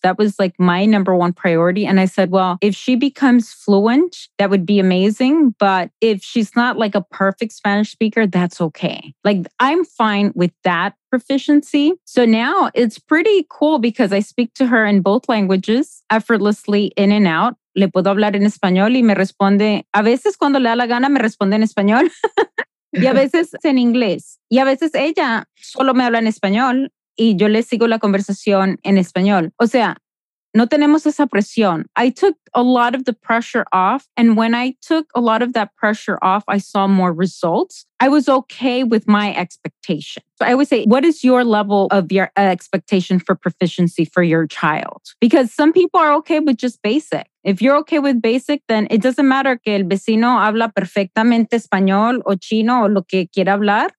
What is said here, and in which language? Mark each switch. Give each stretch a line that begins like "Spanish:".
English: That was like my number one priority. And I said, well, if she becomes fluent, that would be amazing. But if she's not like a perfect Spanish speaker, that's okay. Like, I'm fine with that proficiency. So now it's pretty cool because I speak to her in both languages effortlessly, in and out.
Spanish: Le puedo hablar en español y me responde. A veces cuando le da la gana, me responde en español. Y a veces en inglés. Y a veces ella solo me habla en español. Y yo le sigo la conversación en español. O sea, no tenemos esa presión.
English: I took a lot of the pressure off. And when I took a lot of that pressure off, I saw more results. I was okay with my expectation. So I would say, what is your level of your expectation for proficiency for your child? Because some people are okay with just basic. If you're okay with basic, then it doesn't matter que el vecino habla perfectamente español o chino o lo que quiera hablar.